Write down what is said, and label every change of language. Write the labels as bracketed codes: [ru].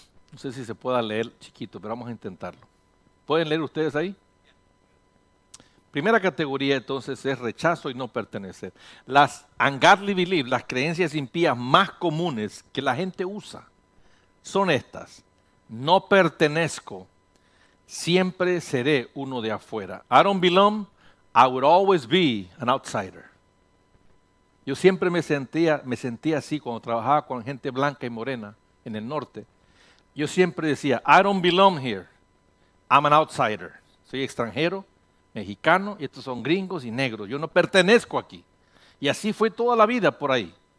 [es] No sé si se pueda leer chiquito, pero vamos a intentarlo. ¿Pueden leer ustedes ahí? Primera categoría entonces es rechazo y no pertenecer. Las ungodly beliefs, las creencias impías más comunes que la gente usa son estas. No pertenezco, siempre seré uno de afuera. [en] I don't belong, I would always be an outsider. [es] Yo siempre me sentía así cuando trabajaba con gente blanca y morena en el norte. Yo siempre decía, [en] I don't belong here, I'm an outsider. [es] Soy extranjero, mexicano, y estos son gringos y negros. Yo no pertenezco aquí. Y así fue toda la vida por ahí.